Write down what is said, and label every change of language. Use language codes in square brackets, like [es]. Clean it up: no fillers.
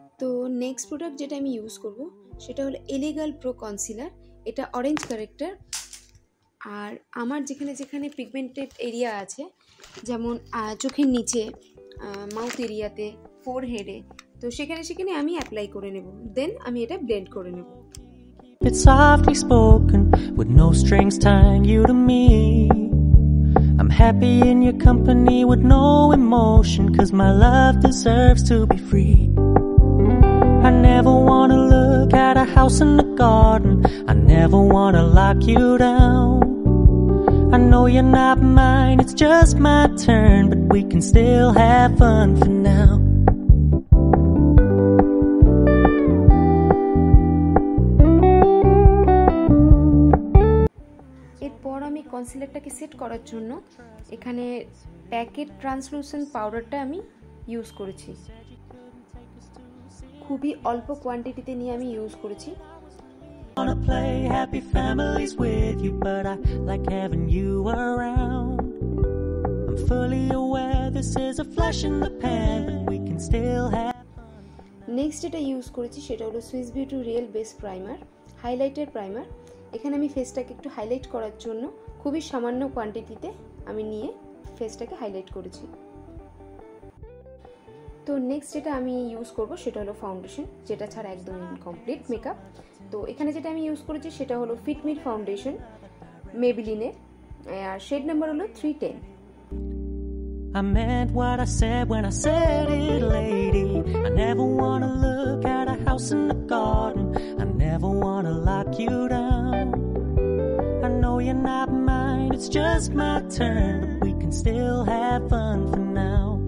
[bn] তো next product যেটা আমি ইউজ করব সেটা হলো এলিগাল প্রো কনসিলার। এটা অরেঞ্জ কারেক্টার। আর আমার যেখানে যেখানে পিগমেন্টেড এরিয়া আছে, যেমন চোখের নিচে, মাউথ এরিয়াতে, ফোর হেডে, তো সেখানে সেখানে আমি অ্যাপ্লাই করে নেব। দেন আমি এটা ব্লেন্ড করে নেব। [en] It's softly spoken with no strings tying you to me. I'm happy in your company with no emotion cuz my love deserves to be free. I never wanna look at a house in the garden. I never wanna lock you down. I know you're not mine, it's just my turn, but we can still have fun for now. [bn] এরপর আমি কনসিলারটাকে set করার জন্য এখানে packet translucent পাউডারটা আমি use করেছি। খুবই অল্প কোয়ান্টিটিতে নিয়ে আমি ইউজ করেছি। [en] Wanna play happy families with you, but I like having you around. I'm fully aware this is a flash in the pan, we can still have [bn] Next এটা use করেছি সেটা হলো Swiss beauty real base primer, highlighter primer. এখানে আমি ফেসটাকে একটু highlight করার জন্য খুবই সামান্য কোয়ান্টিটিতে আমি নিয়ে ফেসটাকে হাইলাইট করেছি। তো নেক্সট যেটা আমি ইউজ করব সেটা হলো ফাউন্ডেশন, যেটা ছাড়া একদম ইনকমপ্লিট মেকআপ। তো এখানে যেটা আমি ইউজ করেছি সেটা হলো ফিট মি ফাউন্ডেশন মেবিলিনে, আর শেড নাম্বার হলো 310। [en] I meant what I said when I said it, lady. I never wanna look at a house in the garden. I never wanna lock you down. I know you're not mine, it's just my turn. We can still have fun for now.